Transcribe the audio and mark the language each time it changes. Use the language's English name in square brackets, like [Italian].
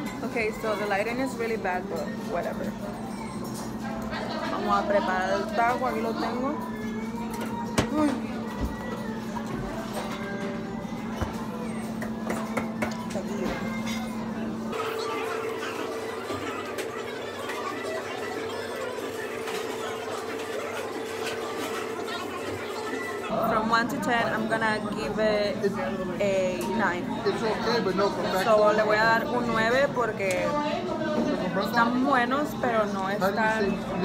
[English] Okay, so the lighting is really bad, but whatever. [Spanish] Vamos a preparar el taco, aquí lo tengo. [English] From 1 to 10, I'm gonna give it a 9. It's okay, but no, [Spanish] so le voy a dar un 9 porque están buenos, pero no están.